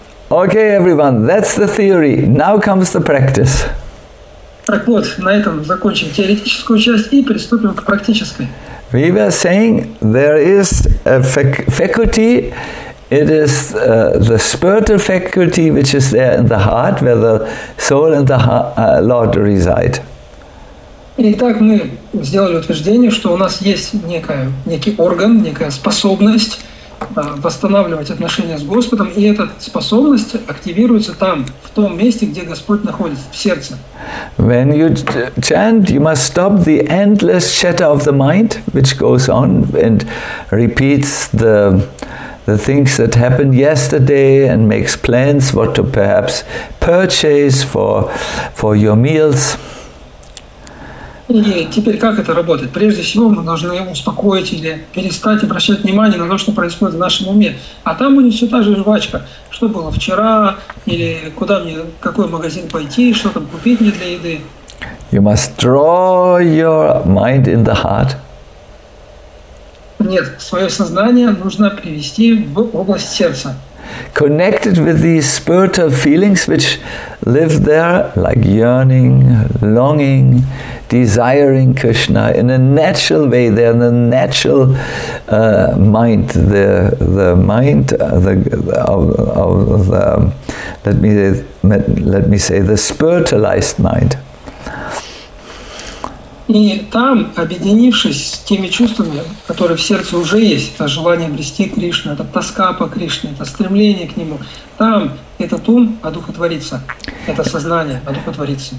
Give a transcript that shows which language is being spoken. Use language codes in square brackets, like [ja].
[en] Okay, everyone, that's the theory. Now comes the practice. [ru] Так вот, на этом закончим теоретическую часть и приступим к практической. [en] We were saying there is a faculty. It is the spiritual faculty which is there in the heart, where the soul and the Lord reside. [ru] Итак, мы сделали утверждение, что у нас есть некий орган, некая способность восстанавливать отношения с Господом, и эта способность активируется там, в том месте, где Господь находится, в сердце. [en] When you chant, you must stop the endless chatter of the mind, which goes on and repeats the things that happened yesterday and makes plans what to perhaps purchase for your meals. [ru] И теперь как это работает? Прежде всего мы должны успокоить или перестать обращать внимание на то, что происходит в нашем уме. А там будет все та же жвачка. Что было вчера, или куда мне, какой магазин пойти, что там купить мне для еды. [en] You must draw your mind in the heart. [ru] Нет, свое сознание нужно привести в область сердца. [en] Connected with these spiritual feelings which live there, like yearning, longing, desiring Krishna in a natural way, they're in a natural mind, the mind of the spiritualized mind. [ru] И там, объединившись с теми чувствами, которые в сердце уже есть, это желание обрести Кришну, это тоска по Кришне, это стремление к Нему, там этот ум одухотворится, это сознание одухотворится.